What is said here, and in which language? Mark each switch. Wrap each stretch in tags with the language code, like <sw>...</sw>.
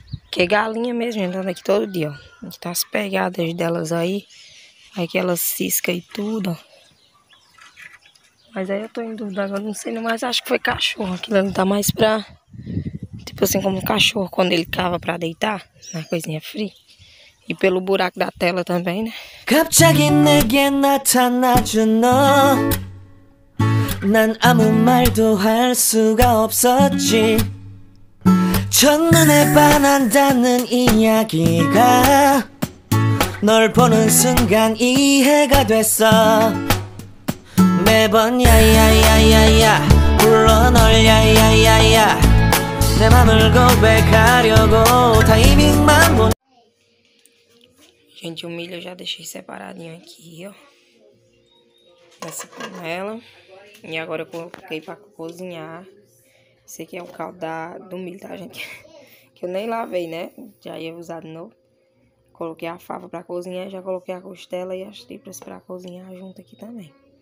<pt>Que galinha mesmo, andando aqui todo dia, ó. A gente tá as pegadas delas aí. Aquelas cisca e tudo, ó. Mas aí eu tô em dúvida, agora não sei, mas acho que foi cachorro. Aquilo não tá mais pra... Tipo assim, como um cachorro quando ele cava pra deitar. Na coisinha fria. E pelo buraco da tela também, né?</pt> <ko>갑자기 내게 나타나죠, 너. 난 아무 말도 할 수가 없었지. 첫눈에 반한다는 이야기가 널 보는 순간 이해가 됐어. 매번 야야야야야 불러 널 야야야야 내 맘을 고백하려고 타이밍만 본.</ko> <pt>Gente, o milho eu já deixei separadinho aqui, ó. Nessa panela. E agora eu coloquei pra cozinhar. Esse aqui é o caldo do milho, tá, gente? Que eu nem lavei, né? Já ia usar de novo. Coloquei a fava pra cozinhar. Já coloquei a costela e as tripas pra cozinhar junto aqui também.</pt>